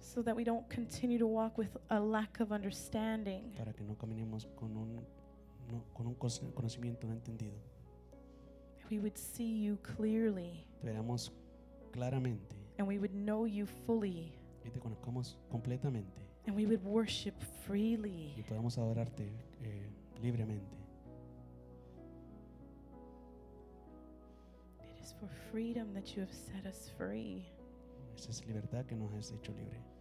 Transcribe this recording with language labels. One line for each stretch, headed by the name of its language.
English: so that we don't continue to walk with a lack of understanding.
Spanish: Para que no caminemos con un conocimiento no entendido.
English: We would see you clearly.
Spanish: Te veremos claramente.
English: And we would know you fully.
Spanish: Y te conozcamos completamente.
English: And we would worship freely.
Spanish: Y podamos adorarte libremente.
English: It is for freedom that you have set us free.
Spanish: Esa es libertad que nos has hecho libre.